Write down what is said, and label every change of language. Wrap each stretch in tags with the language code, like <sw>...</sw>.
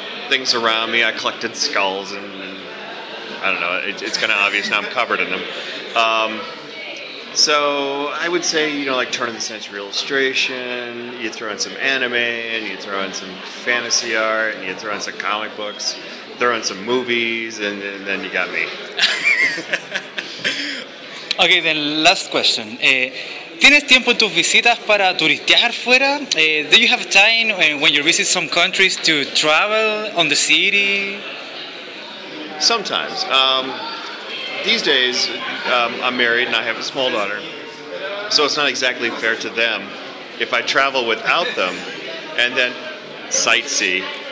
<en>Things around me. I collected skulls and I don't know, it's kind of obvious now I'm covered in them. So I would say, you know, like turn of the century illustration, you throw in some anime, and you throw in some fantasy art, and you throw in some comic books, throw in some movies, and then you got me. Okay, then last question.</en> <es>¿Tienes tiempo en tus visitas para turistear fuera?</es> <en>Do you have time when you visit some countries to travel on the city? Sometimes. These days, I'm married and I have a small daughter, so it's not exactly fair to them if I travel without them and then sightsee.</en>